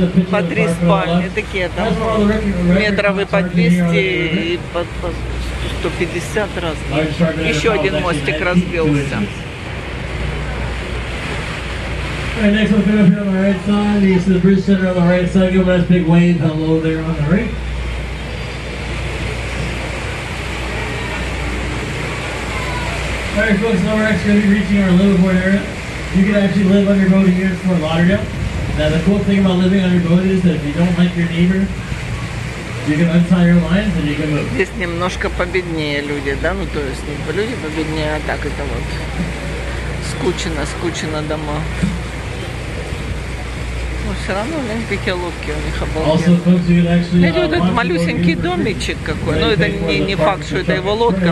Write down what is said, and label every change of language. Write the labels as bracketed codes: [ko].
[ru] По три спальни. Такие там метров и по 200 и по 150 разные. Еще один мостик разбился. [en] Alright, next one coming up here on the right side. This is the bridge center on the right side. Give a nice big wave. Hello there on the right. Alright folks, now we're actually going to be reaching our little board area. You can actually live on your boat here in Fort Lauderdale. Now the cool thing about living on your boat is that if you don't like your neighbor, you can untie your lines and you can move. [ru] Здесь немножко победнее люди, да? Ну то есть люди победнее, а так это вот скучно, скучно дома. Но все равно, блин, какие лодки у них обалденные. Или вот этот малюсенький домичек какой. Ну, это не факт, что это его лодка.